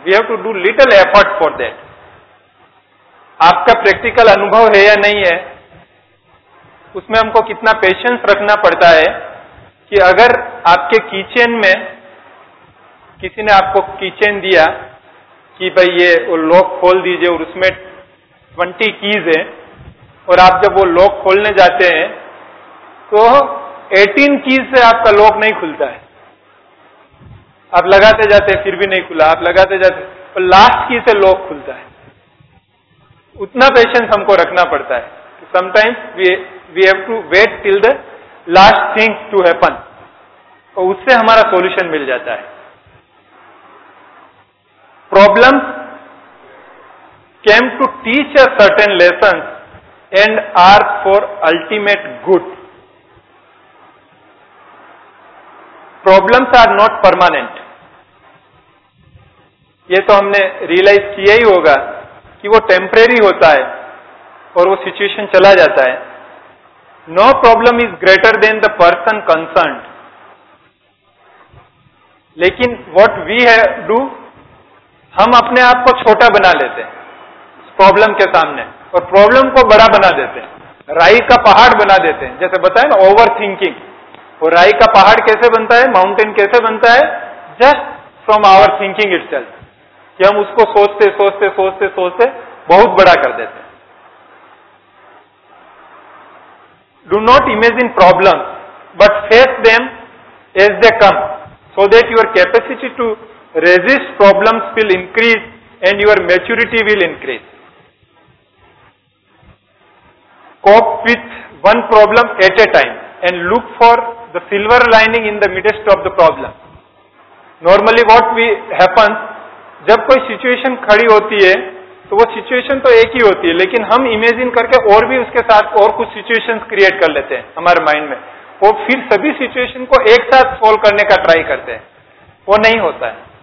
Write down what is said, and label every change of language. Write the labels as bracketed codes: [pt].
[en] We have to do little effort for that. [hi] आपका practical अनुभव है या नहीं है, उसमें हमको कितना पेशेंस रखना पड़ता है कि अगर आपके किचन में किसी ने आपको किचन दिया कि भाई ये वो लॉक खोल दीजिए और उसमें 20 कीज है, और आप जब वो लॉक खोलने जाते हैं तो 18 कीज से आपका लॉक नहीं खुलता है. आप लगाते जाते फिर भी नहीं खुला, आप लगाते जाते और लास्ट की से लॉक खुलता है. उतना पेशेंस हमको रखना पड़ता है कि [en] sometimes we have to wait till the last thing to happen. [hi] और उससे हमारा solution मिल जाता है. [en] Problems came to teach us certain lessons and are for ultimate good. Problems are not permanent. [hi] ये तो हमने realize किया ही होगा कि वो temporary होता है और वो situation चला जाता है. [en] No problem is greater than the person concerned. [hi] लेकिन [en] what we have do, [hi] हम अपने आप को छोटा बना लेते हैं प्रॉब्लम के सामने और प्रॉब्लम को बड़ा बना देते हैं, राई का पहाड़ बना देते हैं. जैसे बताया ना ओवर थिंकिंग, वो राई का पहाड़ कैसे बनता है, माउंटेन कैसे बनता है, [en] just from our thinking itself, [hi] कि हम उसको सोचते सोचते सोचते सोचते बहुत बड़ा कर देते हैं. [en] Do not imagine problem but face them as they come so that your capacity to resist problems will increase and your maturity will increase. Cope with one problem at a time and look for the silver lining in the midst of the problem. Normally what we happens, [hi] जब कोई situation खड़ी होती है तो वो situation तो एक ही होती है, लेकिन हम imagine करके और भी उसके साथ और कुछ situations create कर लेते हैं हमारे mind में, वो फिर सभी situation को एक साथ solve करने का try करते हैं, वो नहीं होता है.